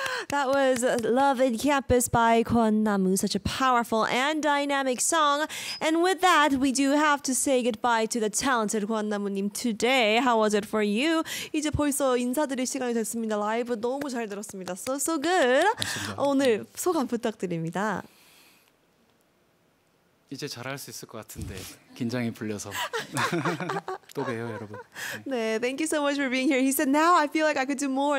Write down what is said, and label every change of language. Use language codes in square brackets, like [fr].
[en] That was Love in Campus by Kwon Namu, such a powerful and dynamic song. And with that, we do have to say goodbye to the talented Kwon Namu님 today. How was it for you? [ko] 이제 벌써 인사드릴 시간이 됐습니다. 라이브 너무 잘 들었습니다. [en] So, so good. [ko] 오늘 소감 부탁드립니다. 이제 잘할 수 있을 것 같은데 긴장이 풀려서 또 봬요 여러분. [en] 네, thank you so much for being here. He said now I feel like I could do more.